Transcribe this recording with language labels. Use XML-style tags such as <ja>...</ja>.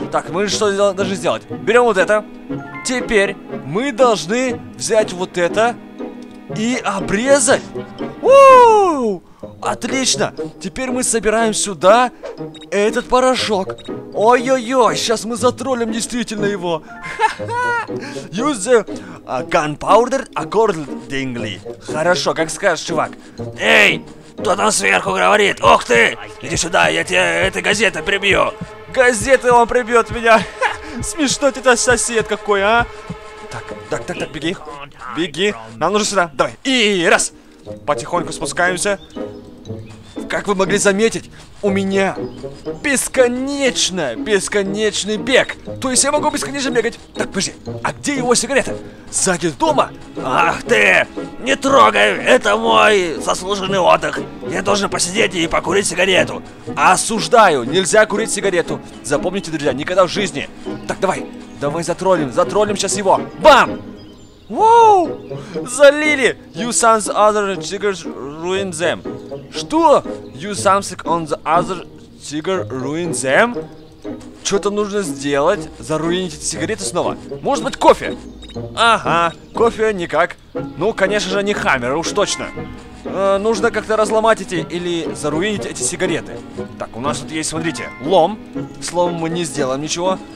<ru>Так, мы что должны сделать? Берем вот это. Теперь мы должны взять вот это и обрезать. Уууу! Отлично! Теперь мы собираем сюда этот порошок. Ой-ой-ой, сейчас мы затроллим действительно его. Ха-ха!</ru> <en>Use the gunpowder accordingly.</en> <ru>Хорошо, как скажешь, чувак. Эй, кто там сверху говорит? Ох ты! Иди сюда, я тебе этой газетой прибью. Газета он прибьет меня. Смешно ты-то сосед какой, а? Так, так, так, так, беги. Беги, нам нужно сюда, давай. И раз, потихоньку спускаемся. Как вы могли заметить, у меня бесконечный бег. То есть я могу бесконечно бегать. Так, подожди, а где его сигарета? Сзади дома? Ах ты, не трогай, это мой заслуженный отдых. Я должен посидеть и покурить сигарету. Осуждаю, нельзя курить сигарету. Запомните, друзья, никогда в жизни. Так, давай, давай затроллим, затроллим сейчас его. Бам! Воу! Залили!</ru> <en>Use some other triggers ruin them.</en> <ru>Что?</ru> <en>Use something on the other trigger ruin them?</en> <ru>Что-то нужно сделать, заруинить эти сигареты снова. Может быть кофе? Ага, кофе никак. Ну, конечно же, не хаммер, уж точно. Нужно как-то разломать эти или заруинить эти сигареты. Так, у нас тут есть, смотрите, лом. Словом, мы не сделаем ничего.</ru>